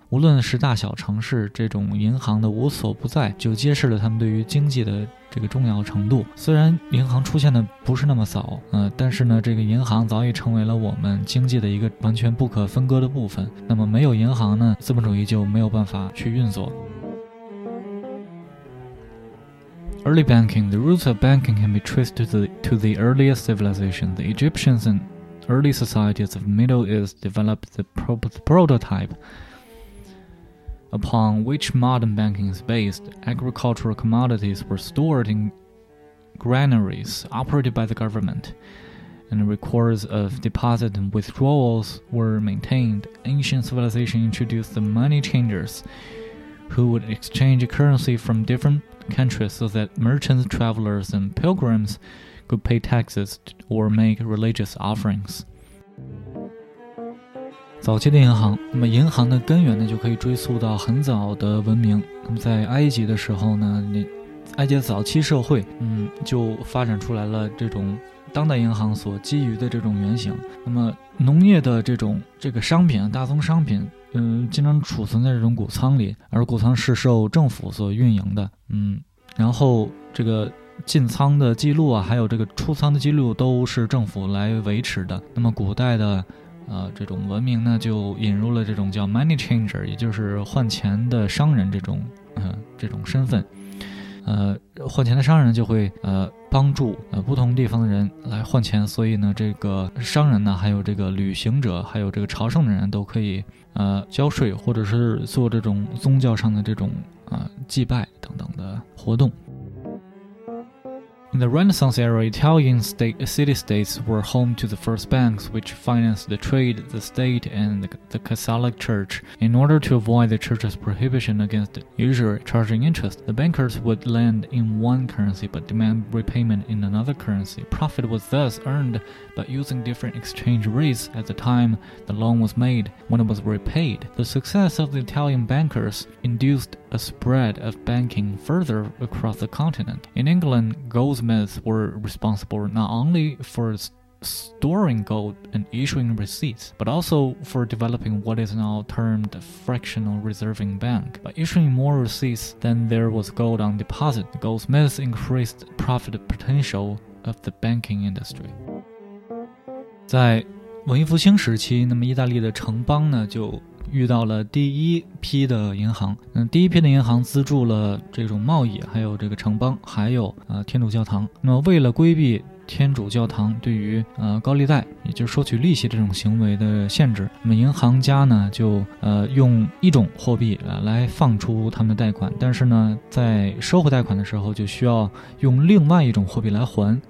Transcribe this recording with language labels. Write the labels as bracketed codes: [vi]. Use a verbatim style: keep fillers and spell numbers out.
[zh] 无论是大小城市，这种银行的无所不在，就揭示了他们对于经济的这个重要程度。虽然银行出现的不是那么早，呃，但是呢，这个银行早已成为了我们经济的一个完全不可分割的部分。那么没有银行呢，资本主义就没有办法去运作。 [en] Early banking. The roots of banking can be traced to the, to the earliest civilization. The Egyptians and early societies of the Middle East developed the, pro- the prototype. Upon which modern banking is based, agricultural commodities were stored in granaries operated by the government, and records of deposit and withdrawals were maintained. Ancient civilization introduced the money changers, who would exchange currency from different countries so that merchants, travelers, and pilgrims could pay taxes or make religious offerings. [zh] 早期的银行，那么银行的根源呢，就可以追溯到很早的文明。那么在埃及的时候呢，你埃及的早期社会，嗯，就发展出来了这种当代银行所基于的这种原型。那么农业的这种这个商品，大宗商品，嗯，经常储存在这种谷仓里，而谷仓是受政府所运营的，嗯，然后这个。进仓的记录啊，还有这个出仓的记录都是政府来维持的。那么古代的呃，这种文明呢，就引入了这种叫 money changer， 也就是换钱的商人这种，呃，这种身份。呃，换钱的商人就会呃帮助呃不同地方的人来换钱，所以呢，这个商人呢，还有这个旅行者，还有这个朝圣的人都可以呃交税，或者是做这种宗教上的这种啊、呃、祭拜等等的活动。 [en] In the Renaissance era, Italian state, city-states were home to the first banks, which financed the trade, the state, and the, the Catholic Church. In order to avoid the Church's prohibition against usury charging interest, the bankers would lend in one currency but demand repayment in another currency. Profit was thus earned by using different exchange rates at the time the loan was made when it was repaid. The success of the Italian bankers induced a spread of banking further across the continent. In England, goldsmiths were responsible not only for storing gold and issuing receipts, but also for developing what is now termed a fractional reserving bank. By issuing more receipts than there was gold on deposit, the goldsmiths increased the profit potential of the banking industry. [zh] 在文艺复兴时期，那么意大利的城邦呢，就遇到了第一批的银行，嗯，第一批的银行资助了这种贸易，还有这个城邦，还有呃天主教堂。那么，为了规避天主教堂对于呃高利贷，也就是收取利息这种行为的限制，那么银行家呢就呃用一种货币来放出他们的贷款，但是呢，在收回贷款的时候就需要用另外一种货币来还。